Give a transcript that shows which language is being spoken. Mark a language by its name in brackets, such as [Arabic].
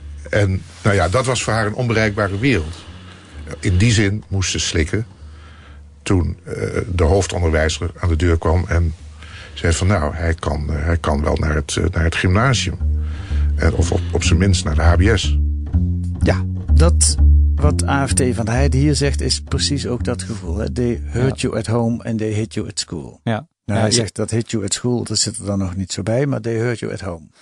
[Dutch] En nou ja, dat was voor haar een onbereikbare wereld. In die zin moest ze slikken toen de hoofdonderwijzer aan de deur kwam en zei van, nou, hij kan wel naar het gymnasium. Of op zijn minst naar de HBS. Ja, dat wat AFT van Heijden hier zegt is precies ook dat gevoel. Hè? [English] They hurt you at home and they hit you at school. [Dutch] Ja. Nou, ja, hij zegt dat [English] hit you at school, [Dutch] dat zit er dan nog niet zo bij, maar [English] they hurt you at home.